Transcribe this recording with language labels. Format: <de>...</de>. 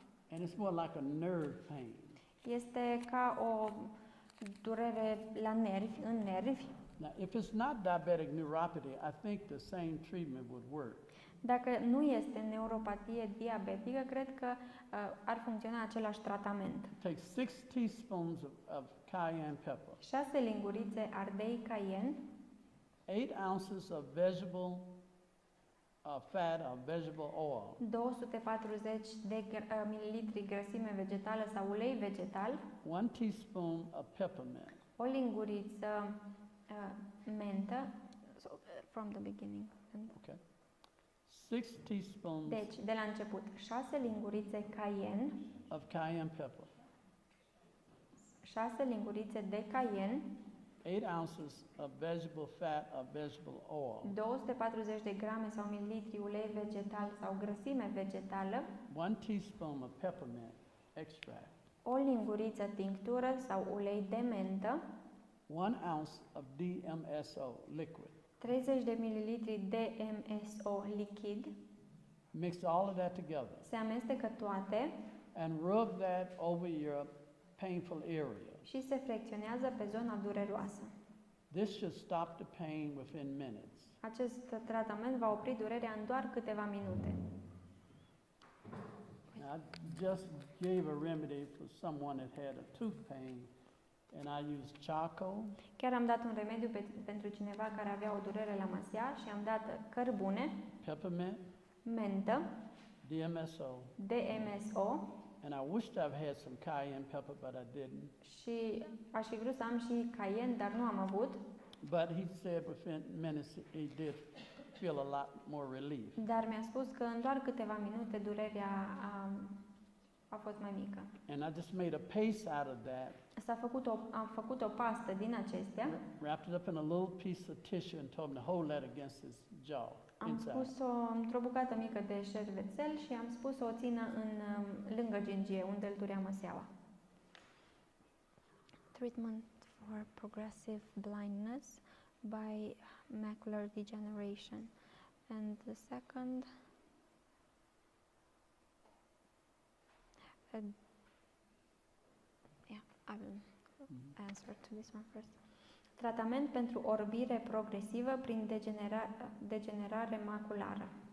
<en>And it's more like a nerve pain.</en> <ro>Este ca o durere la nervi, în nervi.</ro> <en>Now, if it's not diabetic neuropathy, I think the same treatment would work.</en> <ro>Dacă nu este neuropatie diabetică, cred că ar funcționa același tratament.</ro> <en>Take 6 teaspoons of cayenne pepper.</en> <ro>6 lingurițe ardei cayenne.</ro> <en>8 ounces of vegetable fat or vegetable oil.</en> <ro>240 de mililitri grăsime vegetală sau ulei vegetal.</ro> <en>1 teaspoon of peppermint.</en> <ro>O linguriță mentă.</ro> <en>So, from the beginning. Okay. 6 teaspoons.</en> <ro>Deci, de la început, 6 lingurițe cayenne.</ro> <en>Of cayenne pepper.</en> <ro>6 lingurițe de cayenne.</ro> <en>8 ounces of vegetable fat or vegetable oil.</en> <ro>240 de grame sau mililitri ulei vegetal sau grăsime vegetală.</ro> <en>1 teaspoon of peppermint extract.</en> <ro>O linguriță tinctură sau ulei de mentă.</ro> <en>1 ounce of DMSO liquid.</en> <ro>30 de mililitri DMSO lichid.</ro> <en>Mix all of that together.</en> <ro>Se amestecă toate.</ro> <en>And rub that over your painful area.</en> <ro>Și se frecționează pe zona dureroasă.</ro> <en>This should stop the pain within minutes.</en> <ro>Acest tratament va opri durerea în doar câteva minute.</ro> <en>I just gave a remedy for someone that had a tooth pain. And I use charcoal.</en> <ro>Chiar am dat un remediu pentru cineva care avea o durere la masia și am dat cărbune,</ro> <en>peppermint,</en> <ro>mentă,</ro> <en>DMSO.</en> <ro>DMSO.</ro> <en>And I wished I've had some cayenne pepper, but I didn't.</en> <ro>Și aș fi vrut să am și cayenne, dar nu am avut.</ro> <en>But he said within minutes he did feel a lot more relief.</en> <ro>Dar mi-a spus că în doar câteva minute durerea a fost mai mică.</ro> <en>And I just made a paste out of that.</en> <ro>Am făcut o pastă din acestea.</ro> <en>Wrapped it up in a little piece of tissue and told him to hold that against his jaw.</en> <ro>Am pus-o într-o bucată mică de șervețel și am spus să o țină în lângă gingie, unde îl durea măseaua.</ro> <en>Treatment for progressive blindness by macular degeneration. And the second, I will answer to this one first.</en> <ro>Tratament pentru orbire progresivă prin degenerare maculară.</ro>